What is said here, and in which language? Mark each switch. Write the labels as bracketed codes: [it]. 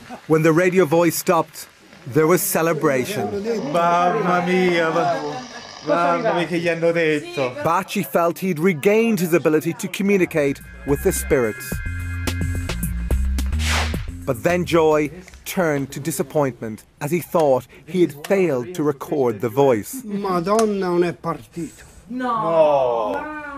[en] When the radio voice stopped, there was celebration. [it] Mamma mia, mamma mia, che gli hanno detto. [en] Bacci felt he'd regained his ability to communicate with the spirits. But then joy turned to disappointment as he thought he had failed to record the voice. [it] Madonna, non è partito. No.